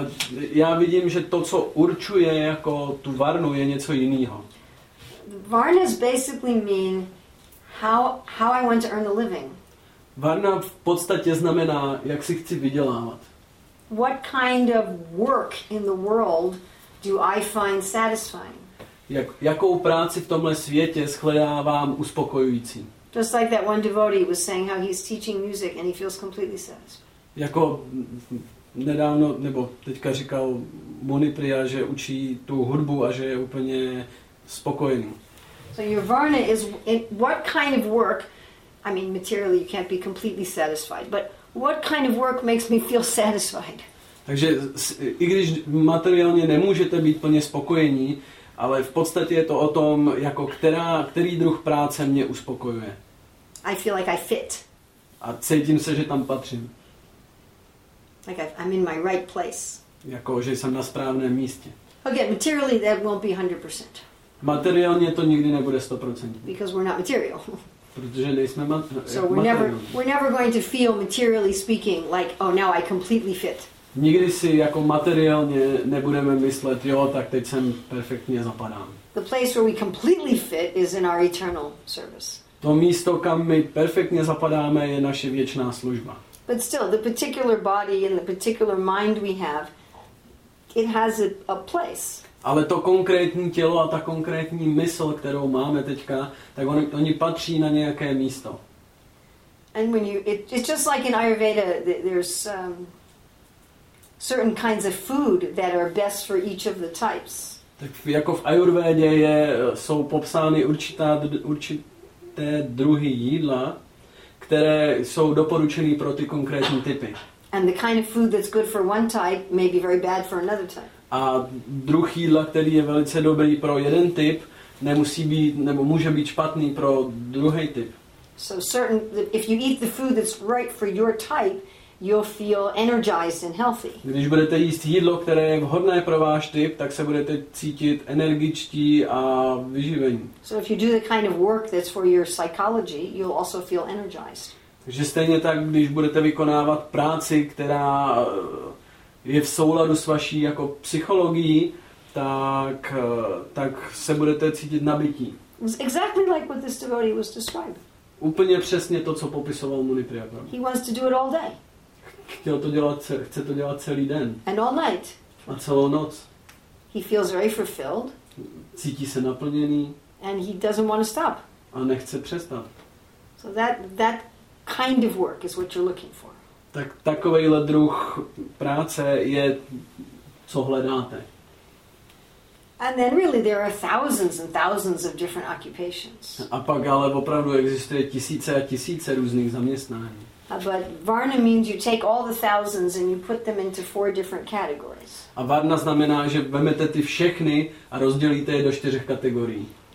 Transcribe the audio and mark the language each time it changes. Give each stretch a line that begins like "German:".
Czech: Já vidím, že to, co určuje jako tu varnu, je něco jiného.
English: Varnas basically mean how I want to earn a living.
Czech: Varna v podstatě znamená, jak si chci vydělávat.
English: What kind of work in the world do I find satisfying?
Czech: Jakou práci v tomhle světě shledávám uspokojující?
English: Just like that one devotee was saying how he's teaching music and he feels completely satisfied.
Czech: Jako nedávno, nebo teďka říkal Monipriya, že učí tu hudbu a že je úplně spokojený.
English: So your varna is what kind of work, I mean materially you can't be completely satisfied, but what kind of work makes me feel satisfied?
Czech: Takže i když materiálně nemůžete být plně spokojení, ale v podstatě je to o tom, jako který druh práce mě uspokojuje.
English: I feel like I fit.
Czech: A cítím se, že tam patřím.
English: Like I'm in my right place.
Czech: Jako, že jsem na správném místě.
English: Okay, materially that won't be 100%.
Czech: Materiálně to nikdy nebude 100%.
English: Because we're not material.
Czech: Protože nejsme materiální.
English: So we're never going to feel materially speaking like oh now I completely fit.
Czech: Nikdy si jako materiálně nebudeme myslet jo tak teď jsem perfektně zapadám.
English: The place where we completely fit is in our eternal service.
Czech: To místo, kam my perfektně zapadáme, je naše věčná služba.
English: But still the particular body and the particular mind we have, it has a place.
Czech: Ale to konkrétní tělo a ta konkrétní mysl, kterou máme teďka, tak oni patří na nějaké místo.
English: And when it's just like in Ayurveda, there's certain kinds of food that are best for each of the types.
Czech: Tak jako v Ayurvédě jsou popsány určité druhy jídla, které jsou doporučené pro ty konkrétní typy.
English: And the kind of food that's good for one type may be very bad for another type.
Czech: A druh jídla, který je velice dobrý pro jeden typ, nemusí být nebo může být špatný pro druhý typ.
English: So certain that if you eat the food that's right for your type, you'll feel energized and healthy.
Czech: Když budete jíst jídlo, které je vhodné pro váš typ, tak se budete cítit energičtí a vyživení.
English: So if you do the kind of work that's for your psychology, you'll also feel energized.
Czech: Takže stejně tak, když budete vykonávat práci, která je v souladu s vaší jako psychologií, tak se budete cítit nabití.
English: Exactly like what this devotee was describing.
Czech: Úplně přesně to, co popisoval Muni Priyakarma.
English: He wants to do it all day.
Czech: Chce to dělat celý den.
English: And all night.
Czech: A celou noc.
English: He feels very fulfilled.
Czech: Cítí se naplněný.
English: And he doesn't want to stop.
Czech: A nechce přestat.
English: So that kind of work is what you're looking for.
Czech: Tak takovejhle druh práce je, co hledáte.
English: And then really there are thousands and thousands of different occupations.
Czech: A pak ale opravdu existuje tisíce a tisíce různých zaměstnání.
English: But varna means you take all the thousands and you put them into four different categories.
Czech: A varna znamená, že vezmete ty všechny a rozdělíte je do čtyř kategorií.